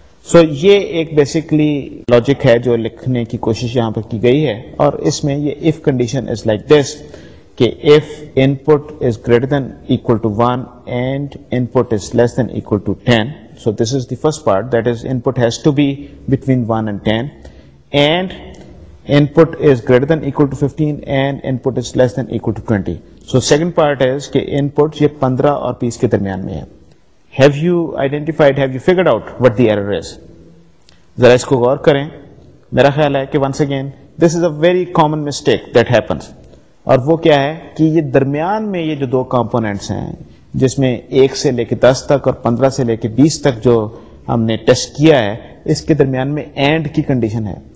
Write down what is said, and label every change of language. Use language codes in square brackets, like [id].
[en] so [ur] یہ ایک basically logic ہے جو لکھنے کی کوشش یہاں پر کی گئی ہے، اور اس میں یہ [en] If condition is like this کہ if input is greater than equal to 1 and input is less than equal to 10، so this is the first part, that is input has to be between 1 and 10، and input is greater than equal to 15 and input is less than equal to 20. So second part is [ur] کہ ان پٹ یہ 15 and 20 کے درمیان میں ہے. [en] Have you identified, have you figured out what the error is? [ur] ذرا اس کو غور کریں. میرا خیال ہے کہ [en] once again this is a very common mistake that happens, [ur] اور وہ کیا ہے کہ یہ درمیان میں یہ جو دو کمپوننٹس ہیں جس میں 1 سے لے کے 10 تک اور 15 سے لے کے 20 تک جو ہم نے ٹیسٹ کیا ہے اس کے درمیان میں اینڈ کی کنڈیشن ہے.